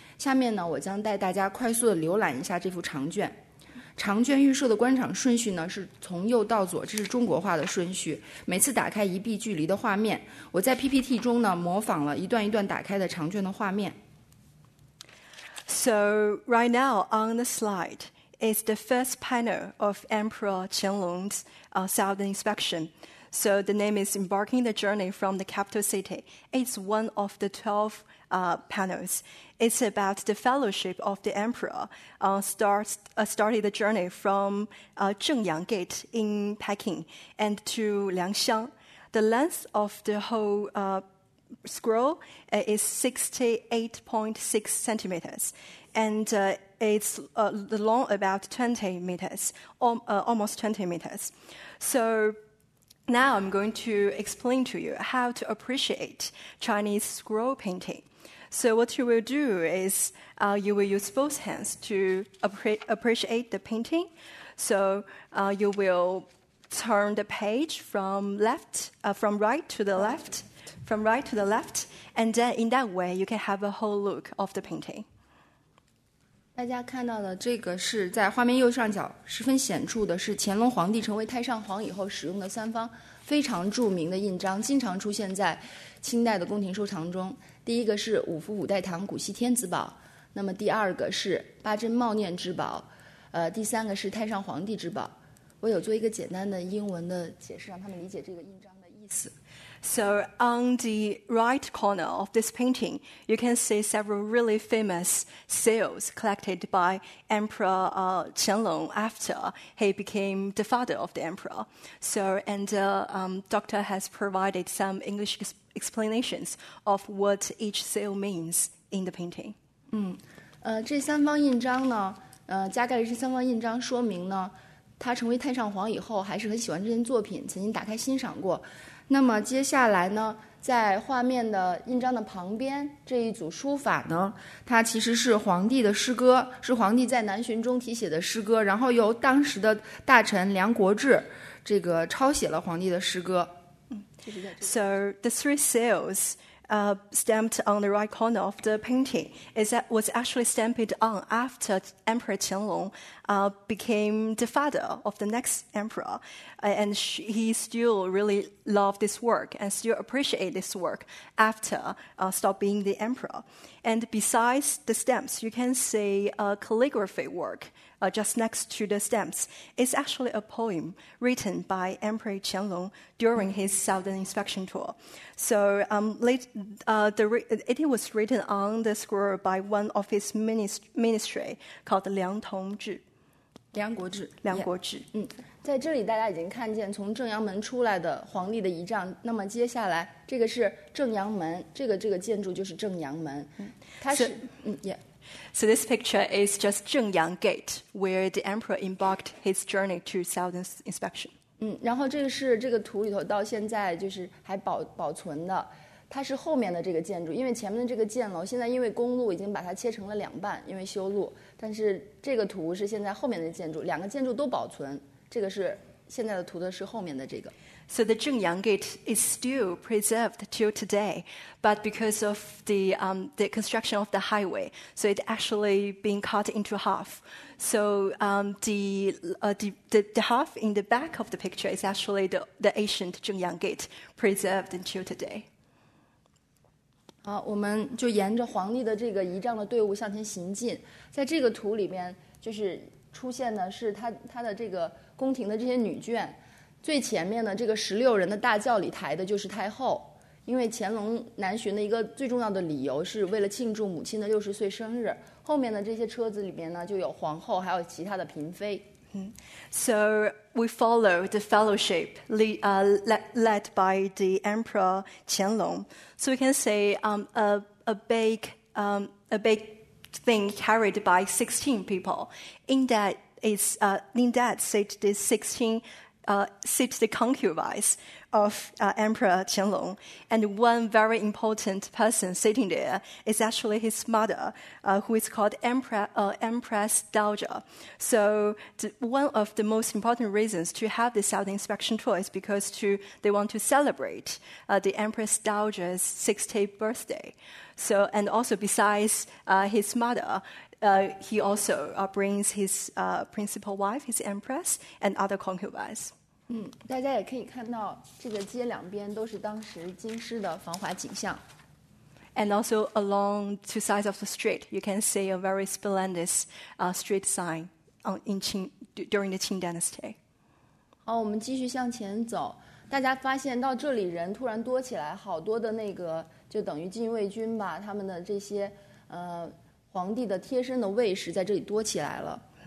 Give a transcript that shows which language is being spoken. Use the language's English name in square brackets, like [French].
[Chinese] 下面呢，我将带大家快速的浏览一下这幅长卷。长卷预设的观赏顺序呢，是从右到左，这是中国画的顺序。每次打开一臂距离的画面，我在 PPT 中呢，模仿了一段一段打开的长卷的画面。 [English] So right now on the slide. It's the first panel of Emperor Qianlong's southern inspection. So the name is Embarking the Journey from the Capital City. It's one of the 12 panels. It's about the fellowship of the emperor started the journey from Zhengyang Gate in Peking and to Liangxiang. The length of the whole scroll is 68.6 centimeters. And it's long about 20 meters, almost 20 meters. So now I'm going to explain to you how to appreciate Chinese scroll painting. So what you will do is you will use both hands to appreciate the painting. So you will turn the page from right to the left, and then in that way you can have a whole look of the painting. [Chinese] 大家看到的这个是在画面右上角十分显著的，是乾隆皇帝成为太上皇以后使用的三方非常著名的印章，经常出现在清代的宫廷收藏中。第一个是五福五代堂古稀天子宝，那么第二个是八珍茂念之宝，第三个是太上皇帝之宝。我有做一个简单的英文的解释，让他们理解这个印章的意思。 [English] So on the right corner of this painting, you can see several really famous seals collected by Emperor Qianlong after he became the father of the emperor. So, and Doctor has provided some English explanations of what each seal means in the painting. [Chinese] 这三方印章呢，加盖了这三方印章说明呢，他成为太上皇以后还是很喜欢这件作品，曾经打开欣赏过。那么接下来呢，在画面的印章的旁边这一组书法呢，它其实是皇帝的诗歌，是皇帝在南巡中题写的诗歌，然后由当时的大臣梁国志这个抄写了皇帝的诗歌。 [English] So the three seals stamped on the right corner of the painting was actually stamped on after Emperor Qianlong became the father of the next emperor. And he still really loved this work and still appreciated this work after stopped being the emperor. And besides the stamps, you can see a calligraphy work just next to the stamps. It's actually a poem written by Emperor Qianlong during his southern inspection tour. So it was written on the scroll by one of his ministry called Liang Tongzhi. [Chinese] 梁国志、 yeah. 在这里大家已经看见从正阳门出来的皇帝的仪仗，那么接下来这个是正阳门，这个建筑就是正阳门，它是 [English] So this picture is just Zhengyang Gate where the emperor embarked his journey to southern inspection. [Chinese] 然后这个是这个图里头到现在就是还保存的，它是后面的这个建筑，因为前面的这个箭楼现在因为公路已经把它切成了两半，因为修路，但是这个图是现在后面的建筑，两个建筑都保存，这个是现在的图的是后面的这个。 [English] So the Zhengyang Gate is still preserved till today, but because of the construction of the highway, so it actually being cut into half. So the half in the back of the picture is actually the ancient Zhengyang Gate preserved until today. [Chinese] 好，我们就沿着皇帝的这个仪仗的队伍向前行进，在这个图里面就是出现的是他的这个宫廷的这些女眷。最前面的这个十六人的大轿里抬的就是太后，因为乾隆南巡的一个最重要的理由是为了庆祝母亲的60岁生日。后面的这些车子里面呢，就有皇后，还有其他的嫔妃。 [English] So we follow the fellowship led by the Emperor Qianlong. So we can say a big thing carried by 16 people. In that seat, the 16. Sit the concubines of Emperor Qianlong, and one very important person sitting there is actually his mother, who is called Empress Dowager. So one of the most important reasons to have the Southern Inspection Tour is because they want to celebrate the Empress Dowager's 60th birthday. So, and also besides his mother, he also brings his principal wife, his empress, and other concubines. [Chinese] 大家也可以看到这个街两边都是当时京师的繁华景象。 [English] And also along two sides of the street, you can see a very splendid street sign during the Qing Dynasty. [Chinese] 好，我们继续向前走，大家发现到这里人突然多起来，好多的那个就等于禁卫军吧，他们的这些皇帝的贴身的卫士在这里多起来了。